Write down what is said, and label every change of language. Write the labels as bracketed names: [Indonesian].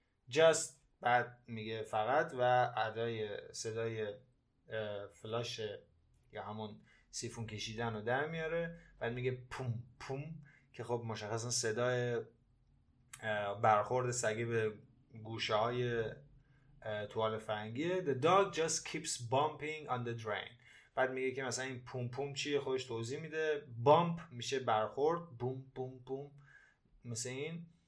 [Persian] Just بعد میگه فقط و ادای صدای فلاش یا همون سیفون کشیدن رو در میاره، بعد میگه پوم پوم که خب مشخصا صدای برخورد سگه به گوشه های توال فرنگیه. [English] The dog just keeps bumping on the drain. [Persian] بعد میگه که مثلا این پوم پوم چیه، خودش توضیح میده. بامپ میشه برخورد، بوم بوم بوم مثل این.